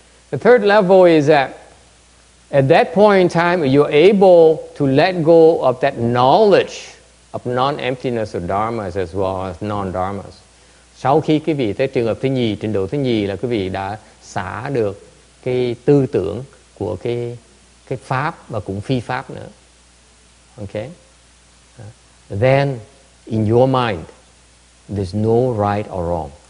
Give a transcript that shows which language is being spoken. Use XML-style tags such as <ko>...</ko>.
<en>The third level is that at that point in time, you're able to let go of that knowledge of non-emptiness of dharmas as well as non-dharmas.</en> <vi>Sau khi quý vị tới trường hợp thứ nhì, trình độ thứ nhì là quý vị đã xả được cái tư tưởng của cái pháp và cũng phi pháp nữa.</vi> <en>Okay? Then, in your mind, there's no right or wrong.</en>